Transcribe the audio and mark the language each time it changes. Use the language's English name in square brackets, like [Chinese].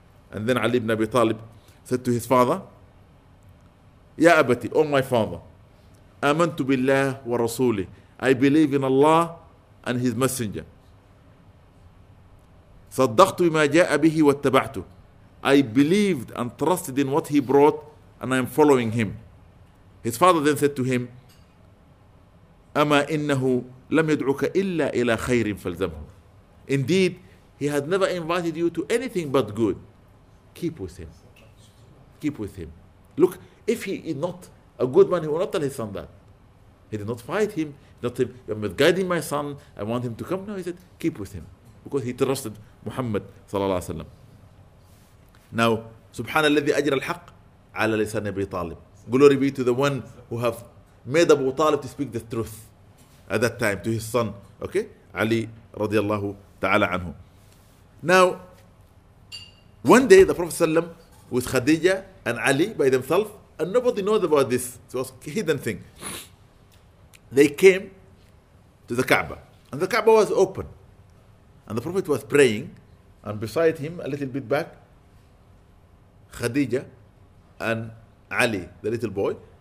[English] And then Ali ibn Abi Talib said to his father, [Arabic] يَا أَبَتِي, [English] oh my father, [Arabic] آمَنْتُ بِاللَّهِ وَرَسُولِهِ [English] I believe in Allah and His Messenger. [Arabic] صدقت بما جاء به واتبعته. [English] I believed and trusted in what He brought and I am following Him. His father then said to him, [Arabic] أما إنه لم يدعوك إلا إلى خير فالزمه. [English] Indeed, He had never invited you to anything but good. Keep with Him. Keep with Him. Look, if He is not a good man, He will not tell His son that. He did not fight him. Not him. I'm guiding my son. I want him to come. No, he said, keep with him. Because he trusted Muhammad صلى الله عليه وسلم. [Arabic] Now, سبحان الذي أجر الحق على لسان أبي طالب. [English] Glory be to the one who have made Abu Talib to speak the truth at that time to his son. Okay? [Arabic] Ali رضي الله تعالى عنه. [English] Now, one day the Prophet صلى الله عليه وسلم with Khadija and Ali by themselves and nobody knows about this. It was a hidden thing. They came to the Kaaba. And the Kaaba was open. And the Prophet was praying. And beside him, a little bit back, Khadija and Ali, the little boy.